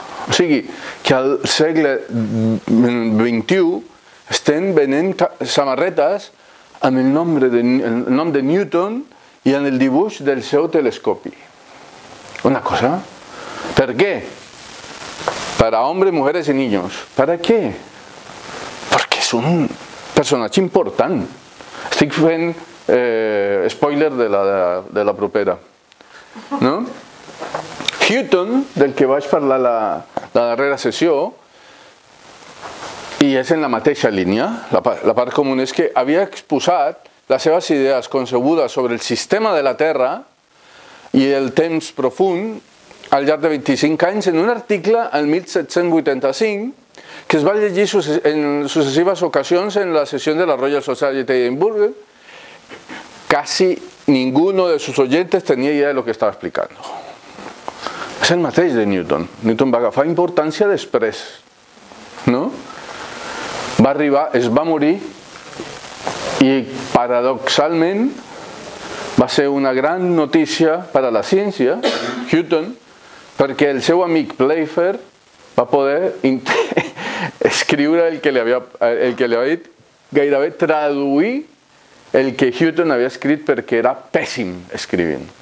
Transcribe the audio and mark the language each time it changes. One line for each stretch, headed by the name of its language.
Catalan: O sigui, que al segle XXI estem venent samarretes amb el nom de, Newton i en el dibuix del seu telescopi. Una cosa. Per què?
Spanish: Para hombres, mujeres y niños. ¿Para qué? Porque es un personaje importante.
Catalan: Estic fent spoiler de la propera. ¿No? Hutton, del que vaig parlar la darrera sessió, i és en la mateixa línia, la part comú és que havia exposat les seves idees concebudes sobre el sistema de la Terra i el temps profund al llarg de 25 anys en un article al 1785 que es va llegir en successives ocasions en la sessió de la Royal Society d'Edimburg.
Spanish: Casi ninguno de sus oyentes tenía idea de lo que estaba explicando.
Catalan: Es el mateix de Newton. Newton va agafar importància després, ¿no? Va arribar, es va morir i paradoxalment va ser una gran notícia per a la ciència, Newton, perquè el seu amic Playfair va poder escriure el que li havia dit, gairebé traduir el que Newton havia escrit perquè era pèssim escrivint.